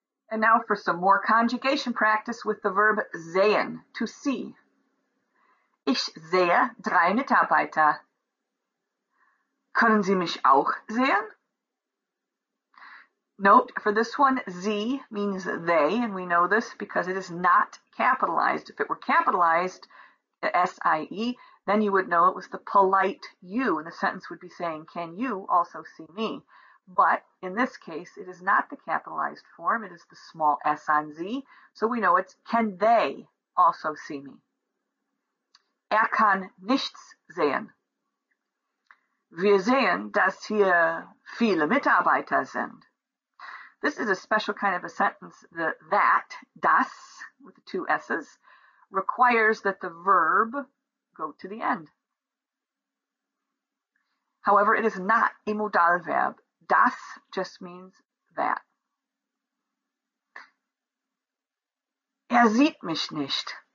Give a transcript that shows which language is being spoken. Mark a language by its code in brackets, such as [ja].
[en] And now for some more conjugation practice with the verb sehen, to see. [de] Ich sehe drei Mitarbeiter. Können Sie mich auch sehen? [en] Note for this one, sie means they, and we know this because it is not capitalized. If it were capitalized, S-I-E, then you would know it was the polite you, and the sentence would be saying, can you also see me? But in this case, it is not the capitalized form. It is the small S on Z. So we know it's, can they also see me? [de] Kann nichts sehen. Wir sehen, dass hier viele Mitarbeiter sind. [en] This is a special kind of a sentence. Das, with the two S's, requires that the verb go to the end. However, it is not a modalverb. Das just means that. [de] Sieht mich nicht.